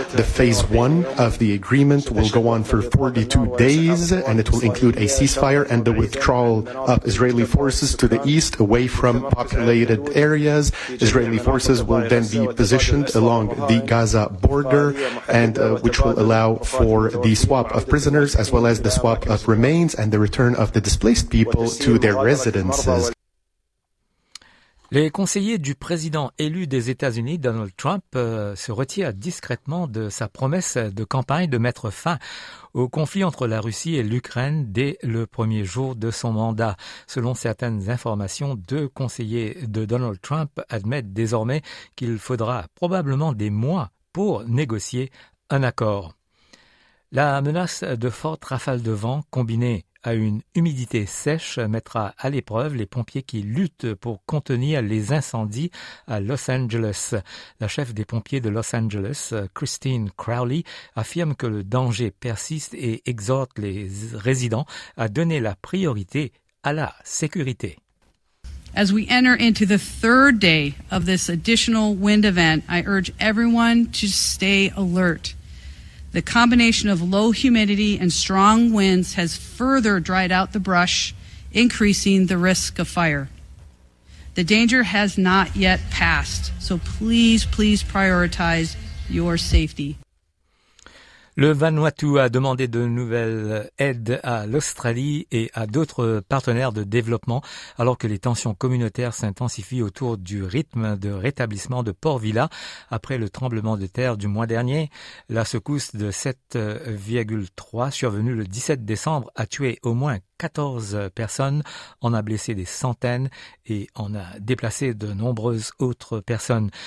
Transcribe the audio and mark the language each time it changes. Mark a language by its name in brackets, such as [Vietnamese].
[French] The phase one of the agreement will go on for 42 days, and it will include a ceasefire and the withdrawal of Israeli forces to the east, away from populated areas. Israeli forces will then be positioned along the Gaza border, and which will allow for the swap of prisoners as well as the swap of remains and the return of the displaced people to their residences. Les conseillers du président élu des États-Unis, Donald Trump, se retirent discrètement de sa promesse de campagne de mettre fin au conflit entre la Russie et l'Ukraine dès le premier jour de son mandat. Selon certaines informations, deux conseillers de Donald Trump admettent désormais qu'il faudra probablement des mois pour négocier un accord. La menace de fortes rafales de vent combinée à une humidité sèche mettra à l'épreuve les pompiers qui luttent pour contenir les incendies à Los Angeles. La chef des pompiers de Los Angeles, Christine Crowley, affirme que le danger persiste et exhorte les résidents à donner la priorité à la sécurité. [English] As we enter into the third day of this additional wind event, I urge everyone to stay alert. The combination of low humidity and strong winds has further dried out the brush, increasing the risk of fire. The danger has not yet passed, so please, please prioritize your safety. [French] Le Vanuatu a demandé de nouvelles aides à l'Australie et à d'autres partenaires de développement alors que les tensions communautaires s'intensifient autour du rythme de rétablissement de Port Vila après le tremblement de terre du mois dernier. La secousse de 7,3 survenue le 17 décembre a tué au moins 14 personnes, en a blessé des centaines et en a déplacé de nombreuses autres personnes.